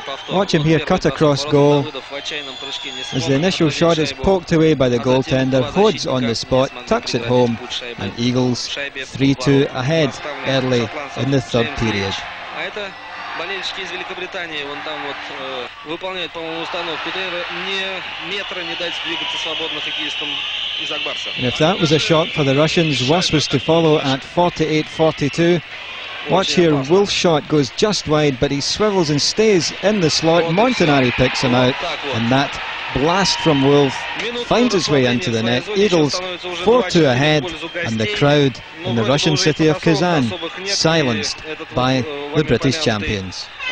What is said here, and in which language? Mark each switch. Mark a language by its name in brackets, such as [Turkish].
[English] Watch him here cut across goal as the initial shot is poked away by the goaltender. Hoad's on the spot, tucks it home, and Eagles 3-2 ahead early in the third period. [Russian] Болельщики из Великобритании, вон там вот выполняют, по-моему, установку тренера не метра не дать двигаться свободно хоккеистам из Акбарса. [English] And if that was a shot for the Russians, worse was to follow at 48-42. Watch here, Wolf's shot goes just wide, but he swivels and stays in the slot. Montanari picks him out, and that blast from Wolf finds its way into the net. Eagles 4-2 ahead, and the crowd in the Russian city of Kazan silenced by the British champions.